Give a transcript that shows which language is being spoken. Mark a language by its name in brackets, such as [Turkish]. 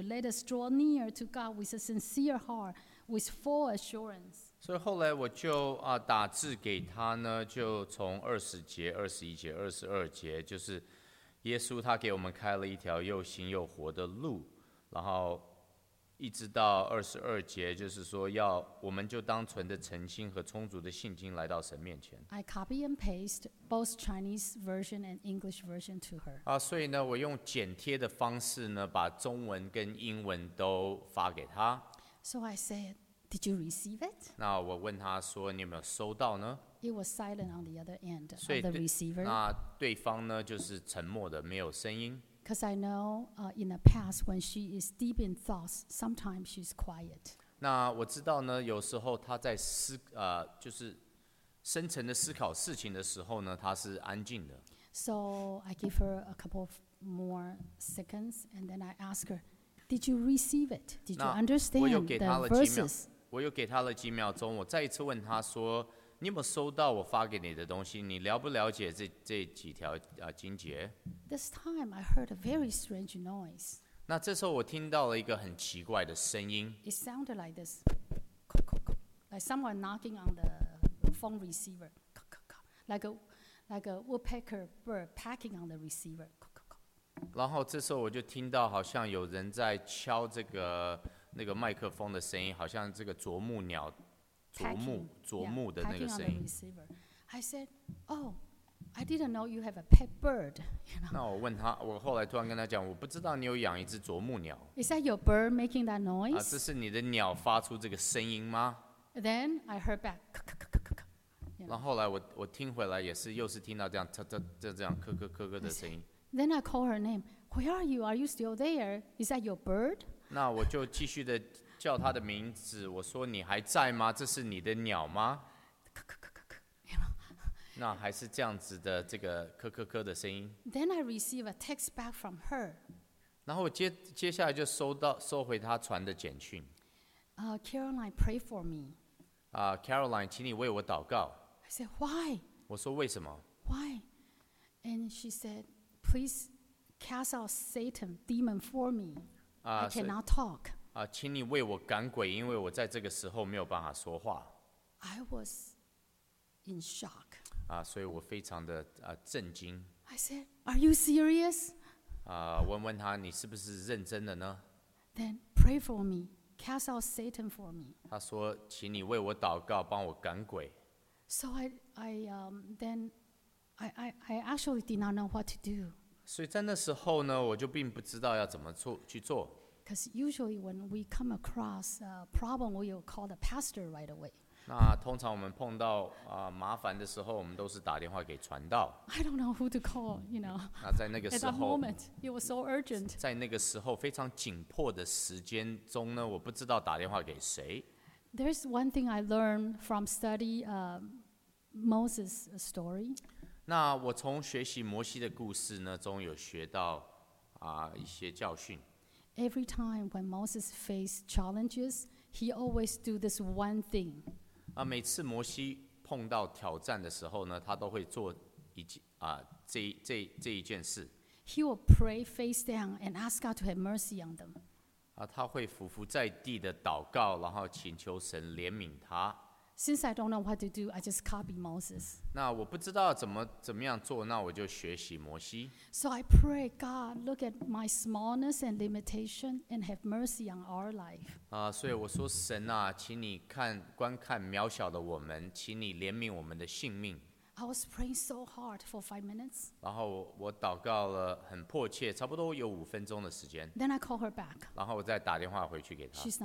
[English] Let us draw near to God with a sincere heart, with full assurance. [Chinese] 所以后来我就打字给他呢，就从二十节、二十一节、二十二节，就是耶稣他给我们开了一条又新又活的路，然后一直到二十二节，就是说要我们就当存的诚心和充足的信心来到神面前。 [English] I copy and paste both Chinese version and English version to her. [Chinese] 所以呢，我用剪贴的方式呢，把中文跟英文都发给她。 [English] So I said, "Did you receive it?" [Chinese] 那我问她说，你有没有收到呢 [English] ？It was silent on the other end of the receiver. [Chinese] 那对方呢，就是沉默的，没有声音。 [English] Because I know, in the past, when she is deep in thoughts, sometimes she's quiet. [Chinese] 那我知道呢，有时候她在就是深层的思考事情的时候呢，她是安静的。 [English] So I give her a couple of more seconds, and then I ask her, "Did you receive it? Did you understand the verses?" [Chinese] 我又给她了几秒钟，我再一次问她说，你有没有收到我发给你的东西？你了不了解这几条经节？ [English] This time I heard a very strange noise. [Chinese] 那这时候我听到了一个很奇怪的声音。 [English] It sounded like this, like someone knocking on the phone receiver, like a woodpecker bird pecking on the receiver. [Chinese] 然后这时候我就听到好像有人在敲这个那个麦克风的声音，好像这个啄木鸟。啄木的那个声音。 [English] I said, "Oh, I didn't know you have a pet bird." You know? [Chinese] 那我问他，我后来突然跟他讲，我不知道你有养一只啄木鸟。 [English] Is that your bird making that noise? [Chinese] 这是你的鸟发出这个声音吗 [English] ？Then I heard back, "Kuk kuk kuk kuk." [Chinese] 然后来我听回来也是，又是听到这样哒哒这样咯咯咯咯的声音。 [English] Then I call her name. Where are you? Are you still there? Is that your bird? [Chinese] 那我就继续的。叫他的名字，我说你还在吗？这是你的鸟吗？那还是这样子的，这个咳咳咳的声音。 [English] Then I receive a text back from her. [Chinese] 然后接下来就收回他传的简讯。 [English] Caroline, pray for me. [Chinese] Caroline, 请你为我祷告。 [English] I said why? [Chinese] 我说为什么 [English] ？Why? And she said, please cast out Satan, demon for me. I cannot talk. [Chinese] 请你为我赶鬼，因为我在这个时候没有办法说话。 [English] I was in shock. [Chinese] 所以我非常的震惊。 [English] I said, "Are you serious?" [Chinese] 问他你是不是认真的呢 [English] ？Then pray for me, cast out Satan for me. [Chinese] 他说，请你为我祷告，帮我赶鬼。 [English] So I actually did not know what to do. [Chinese] 所以在那时候呢，我就并不知道要怎么去做。 [English] Because usually when we come across a problem, we will call the pastor right away. [Chinese] 那通常我们碰到麻烦的时候，我们都是打电话给传道。 [English] I don't know who to call, you know. [Chinese] 那在那个时候 [English] ，At that moment, it was so urgent. [Chinese] 在那个时候非常紧迫的时间中呢，我不知道打电话给谁。 [English] There's one thing I learned from study Moses' story. [Chinese] 那我从学习摩西的故事呢中有学到一些教训。 [English] Every time when Moses faced challenges, he always do this one thing. [Chinese] 每次摩西碰到挑战的时候呢，他都会做这一件事。 [English] He will pray face down and ask God to have mercy on them. [Chinese] 他会伏伏在地的祷告，然后请求神怜悯他。 [English] Since I don't know what to do, I just copy Moses. [Chinese] 那我不知道怎么样做，那我就学习摩西。 [English] So I pray, God, look at my smallness and limitation, and have mercy on our life. [Chinese] 所以我说神啊，请你观看渺小的我们，请你怜悯我们的性命。 [English] I was praying so hard for 5 minutes. [Chinese] 然后我祷告了很迫切，差不多有5分钟的时间。 [English] Then I call her back. [Chinese] 然后我再打电话回去给她。